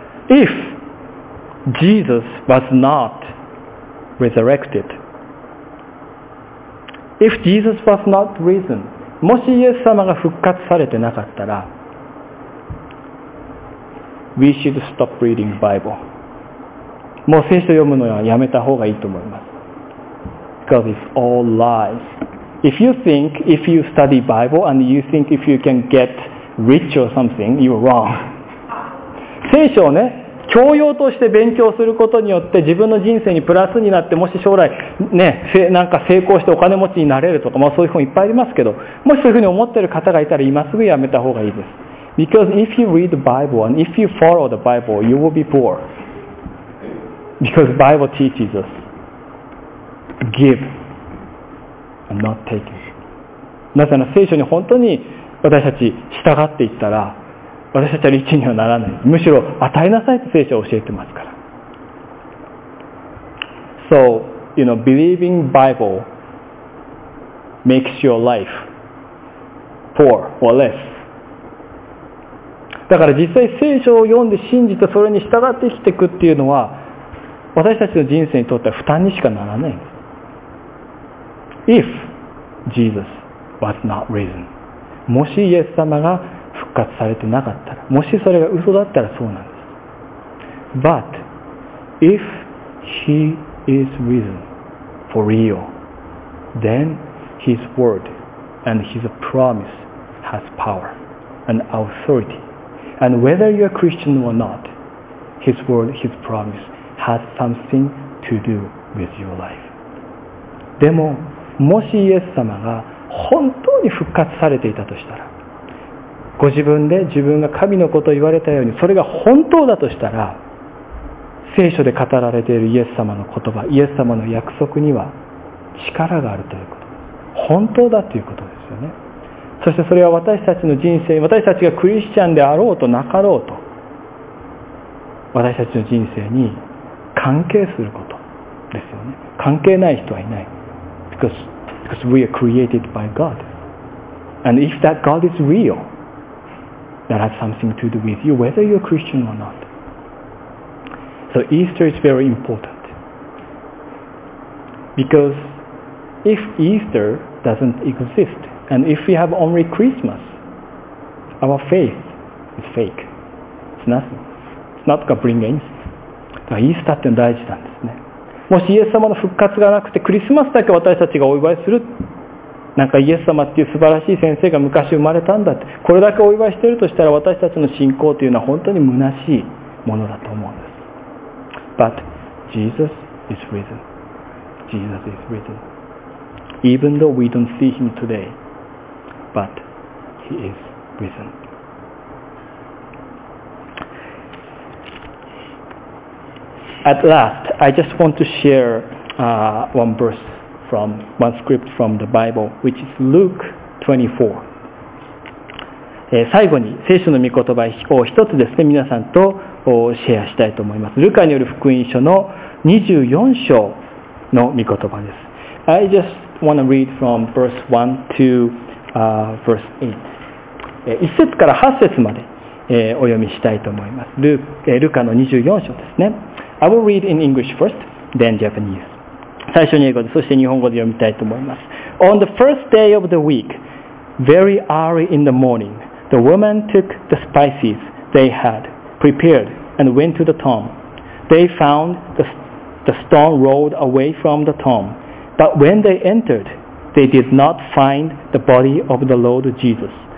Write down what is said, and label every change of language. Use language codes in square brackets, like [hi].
[en] If Jesus was not resurrected, If Jesus was not risen, [ja] もしイエス様が復活されてなかったら、 [en] We should stop reading Bible. [ja] もう聖書読むのはやめた方がいいと思います。 [en] Because it's all lies. If you think if you study Bible and you think if you can get rich or something, you're wrong. [ja] 聖書をね、教養として勉強することによって自分の人生にプラスになって、もし将来ね、なんか成功してお金持ちになれるとか、まあそういう本いっぱいありますけど、もしそういうふうに思っている方がいたら今すぐやめた方がいいです。 [en] Because if you read the Bible and if you follow the Bible, you will be poor. Because the Bible teaches us give and not take. [ja] なぜなら聖書に本当に私たち従っていったら、私たちは律にはならない。むしろ与えなさいと聖書は教えてますから。 [en] So, you know, believing Bible makes your life poor or less. [ja] だから実際聖書を読んで信じてそれに従って生きていくっていうのは、私たちの人生にとっては負担にしかならない。 [en] If Jesus was not risen. [ja] もしイエス様が復活されてなかったら、もしそれが嘘だったらそうなんです。 [en] But if he is risen for real, then his word and his promise has power and authority. And whether you are Christian or not, his word, his promise has something to do with your life. [ja] でも、もしイエス様が本当に復活されていたとしたら、ご自分で自分が神のことを言われたように、それが本当だとしたら、聖書で語られているイエス様の言葉、イエス様の約束には力があるということです。本当だということですよね。そしてそれは私たちの人生、私たちがクリスチャンであろうとなかろうと、私たちの人生に関係することですよね。関係ない人はいない。 [en] Because we are created by God. And if that God is real,that has something to do with you, whether you're Christian or not. So Easter is very important. Because if Easter doesn't exist, and if we have only Christmas, our faith is fake. It's nothing. It's not going to bring anything. [ja] だから Easter って大事なんですね。もしイエス様の復活がなくて、クリスマスだけ私たちがお祝いする。なんかイエス様っていう素晴らしい先生が昔生まれたんだって、これだけお祝いしているとしたら、私たちの信仰というのは本当に虚しいものだと思うんです。 [en] But Jesus is risen. Jesus is risen. Even though we don't see him today, but he is risen. At last, I just want to share one verse. From one script from the Bible, which is Luke 24. [ja] 最後に聖書の御言葉を一つですね、皆さんとシェアしたいと思います。ルカによる福音書の24章の御言葉です。 [en] I just want to read from verse 1 to verse 8. [ja] 1節から8節までお読みしたいと思います。ルカの24章ですね。 [en] I will read in English first, then Japanese. [ja] 最初に英語で、そして日本語で読みたいと思います。 [en] On the first day of the week, very early in the morning, the woman took the spices they had prepared and went to the tomb. They found the stone rolled away from the tomb. But when they entered, they did not find the body of the Lord Jesus.